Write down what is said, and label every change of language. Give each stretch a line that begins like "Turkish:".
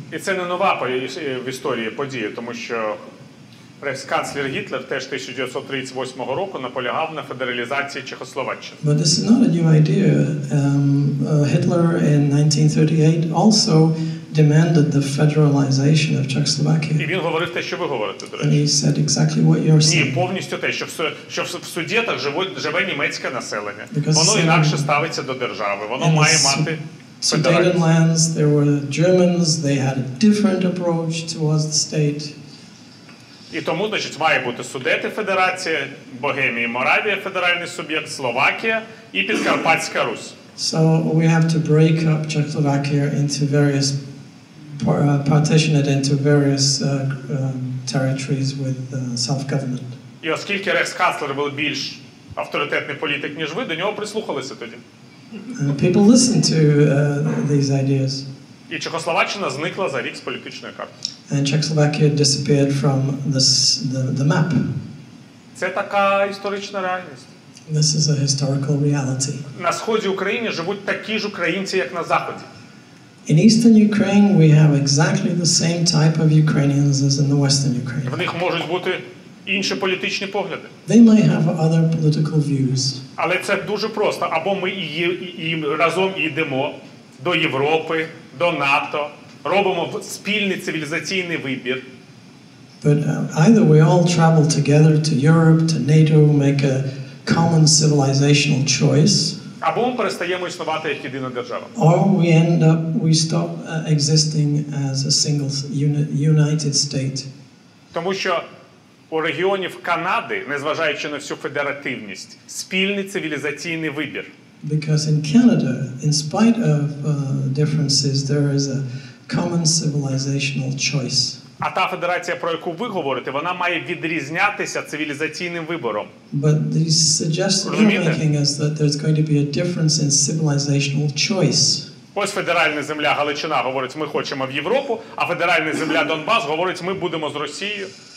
Ukrainian: І це не нова в історії подія, тому що рейхсканцлер Гітлер теж 1938 року наполягав на федералізації Чехословаччини.
English: But this is not a new idea. Hitler in 1938 also demanded the federalization of Czechoslovakia.
Ukrainian: І він говорив те, що ви говорите, до речі.
English: And he said exactly what you're saying.
Ukrainian: Ні, повністю те, що в Судетах живе німецьке населення.
English: Because
Ukrainian: воно інакше ставиться до держави, воно має мати...
English: Sudetenlands, there were Germans, they had a different approach towards the state.
Ukrainian: І тому, значить, має бути Судети Федерація, Богемія, Моравія федеральний суб'єкт, Словакія і Підкарпатська Русь.
English: So we have to break up Czechoslovakia into various partition it into various territories with self-government.
Ukrainian: І оскільки рейхсканцлер був більш авторитетний політик, ніж ви, до нього прислухалися тоді.
English: People listened to these ideas.
Ukrainian: І Чехословаччина зникла за рік з політичної карти.
English: And Czechoslovakia disappeared from the map.
Ukrainian: Це така історична реальність.
English: This is a historical reality.
Ukrainian: На сході України живуть такі ж українці, як на заході.
English: In eastern Ukraine we have exactly the same type of Ukrainians as in the western Ukraine.
Ukrainian: В них можуть бути інші політичні погляди.
English: They may have other political views.
Ukrainian: Але це дуже просто. Або ми і разом йдемо до Європи, до НАТО, робимо спільний цивілізаційний вибір.
English: But either we all travel together to Europe, to NATO, make a common civilizational choice.
Ukrainian: Або ми перестаємо існувати як єдина держава.
English: Or we end up, we stop existing as a single united state.
Ukrainian: Тому що у регіонів Канади, незважаючи на всю федеративність, спільний цивілізаційний вибір.
English: Because in Canada, in spite of differences, there is a common civilizational choice.
Ukrainian: А та федерація, про яку ви говорите, вона має відрізнятися цивілізаційним вибором.
English: But the suggestion you're making is that there's going to be a difference in civilizational choice.
Ukrainian: Ось федеральна земля Галичина говорить, ми хочемо в Європу, а федеральна земля Донбас говорить, ми будемо з Росією.